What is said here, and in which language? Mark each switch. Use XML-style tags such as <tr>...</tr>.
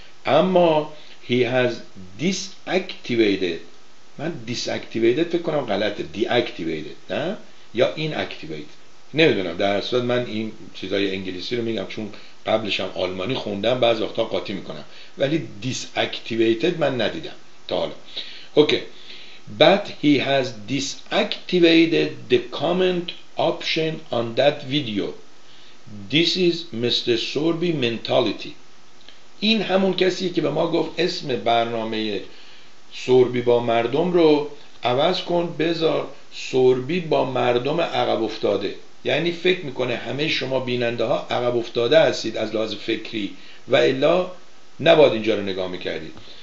<fa>اما</fa> <en>he has deactivated،</en> <fa>من deactivated فکر کنم غلطه، deactivated نه یا inactivate نمیدونم، در اصل من این چیزای انگلیسی رو میگم چون قبلش هم آلمانی خوندم بعضی وقتا قاطی میکنم، ولی deactivated من ندیدم تا حالا.</fa> <en>Okay But he has deactivated the comment option on that video. This is Mr. Sorby mentality.</en> <fa>این همون کسی که به ما گفت اسم برنامه سوربی با مردم رو عوض کن، بذار سوربی با مردم عقب افتاده. یعنی فکر میکنه همه شما بیننده ها عقب افتاده هستید از لحاظ فکری و الا نباید اینجا رو نگاه میکردید.</fa>